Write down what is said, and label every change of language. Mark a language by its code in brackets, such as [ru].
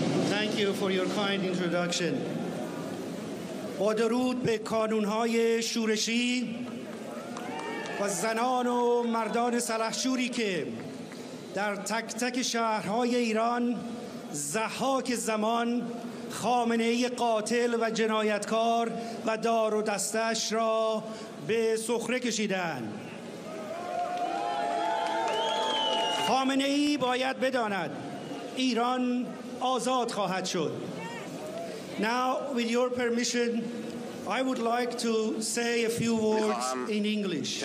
[en] Thank you for your kind introduction. [fa] با درود به کانون‌های شورشی و زنان و مردان سلحشوری که در تک تک شهرهای ایران ضحاک زمان خامنه ای قاتل و جنایتکار و دار و دستش را به سخره کشیدند. خامنه ای باید بداند ایران آزاد خواهد شد. [en] Now, with your permission, I would like to say a few words in English.